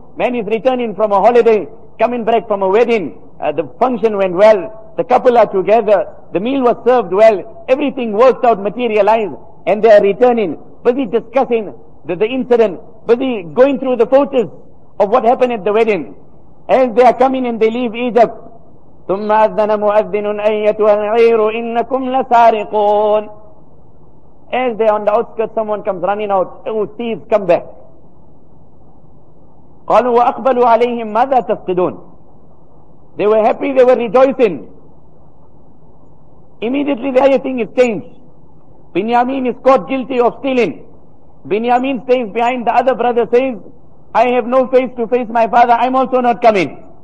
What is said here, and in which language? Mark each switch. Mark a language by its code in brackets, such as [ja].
[en] Man is returning from a holiday, coming back from a wedding, the function went well, the couple are together, the meal was served well, everything worked out, materialized, and they are returning, busy discussing the incident, busy going through the photos of what happened at the wedding. As they are coming and they leave Egypt, [ar] ثُمَّ أَذَّنَ مُؤَذِّنٌ أَيَّتُهَا الْعِيرُ إِنَّكُمْ لَسَارِقُونَ. [en] As they are on the outskirts, someone comes running out, oh thieves, come back. [ar] قالوا وأقبلوا عليهم ماذا تفقدون. [en] They were happy, they were rejoicing. Immediately the other thing is changed. Binyamin is caught guilty of stealing. Binyamin stays behind. The other brother says, I have no face to face my father, I'm also not coming.